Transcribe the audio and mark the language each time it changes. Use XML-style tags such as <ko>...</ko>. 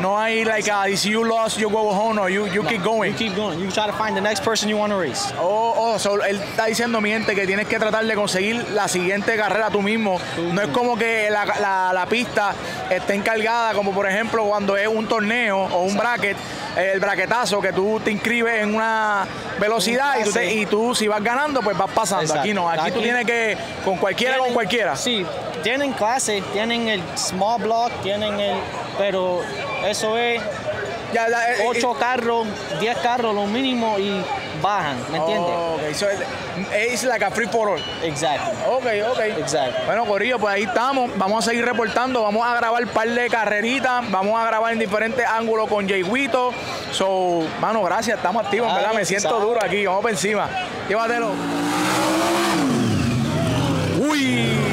<es>No hay</es> <en>like, if you lost, you go home, or you keep going. You keep going. You try to find the next person you want to race.</en> <es>Oh, so él está diciendo, miente, que tienes que tratar de conseguir la siguiente carrera tú mismo. Mm-hmm. No es como que la pista esté encargada, como por ejemplo cuando es un torneo o un bracket, el braquetazo, que tú te inscribes en una velocidad y tú si vas ganando, pues vas pasando. Exacto. Aquí no. Aquí tú tienes que, con cualquiera, con cualquiera. Sí. Tienen clase, tienen el small block, tienen el, pero eso es 8 carros, 10 carros lo mínimo y bajan, ¿me entiendes?</es> <en>Okay, so it's like a free for all.</en> <es>Exacto. Okay. Exacto. Bueno, Corillo, pues ahí estamos. Vamos a seguir reportando, vamos a grabar un par de carreritas, vamos a grabar en diferentes ángulos con Jay Huito. So, mano, gracias, estamos activos, ay, ¿verdad? Me siento duro aquí, vamos para encima. Llévatelo. Uy.</es>